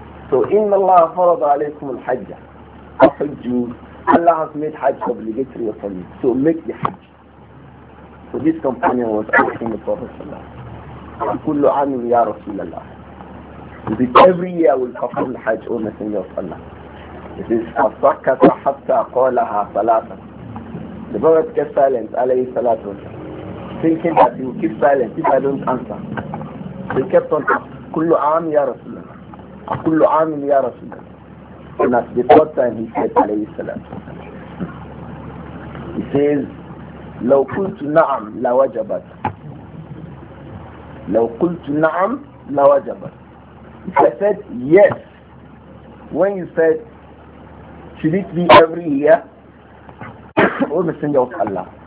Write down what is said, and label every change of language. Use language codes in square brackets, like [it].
[en] So [ar] inna Allah farada alaykum al-hajja, fahujju, [en] Allah has made hajj obligatory upon you, so make the hajj. So this companion was asking the Prophet sallallahu alayhi wa sallam, [ar] كل عام يا رسول الله. [en] Is it every year we'll perform the Hajj, O Messenger of Allah? It is [ar] فصكت حتى قالها ثلاثة. [en] The Prophet kept silent, [ar] عليه الصلاة والسلام, [en] thinking that he will keep silent if I don't answer. He kept on asking, [ar] كل عام يا رسول الله. كل عام يا رسول الله. [en] And at the third time he said, [ar] عليه الصلاة والسلام. [en] He says, [ar] لو قلت نعم لوجبت. لو قلت نعم لوجبت. [en] If I said yes, when you said, should it be every year? O Messenger of Allah.